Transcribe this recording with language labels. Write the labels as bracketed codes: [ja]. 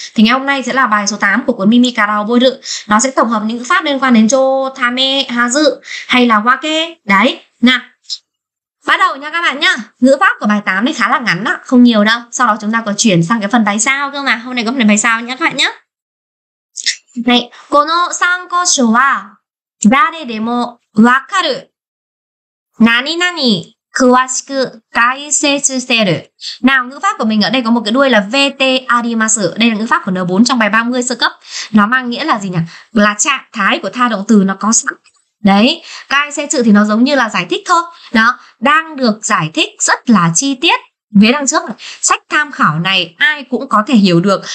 [vi] Thì ngày hôm nay sẽ là bài số 8 của cuốn Mimi Karao Boiru. Nó sẽ tổng hợp những ngữ pháp liên quan đến Jo, Tame, Hazu hay là Wake. Đấy, nè. Bắt đầu nha các bạn nhá. Ngữ pháp của bài 8 này khá là ngắn ạ, không nhiều đâu. Sau đó chúng ta có chuyển sang cái phần bài sao cơ mà. Hôm nay có phần bài sao nhá các bạn nhá. [ja] はい、この参考書は誰でもわかる。何々詳しく解説してる。 [vi] Now, ngữ pháp của mình ở đây có một cái đuôi là VT arimasu. Đây là ngữ pháp của N4 trong bài 30 sơ cấp. Nó mang nghĩa là gì nhỉ? Là trạng thái của tha động từ nó có sẵn. Đấy, cái xe sự thì nó giống như là giải thích thôi. Đó, đang được giải thích rất là chi tiết. Vế đằng trước, sách tham khảo này ai cũng có thể hiểu được.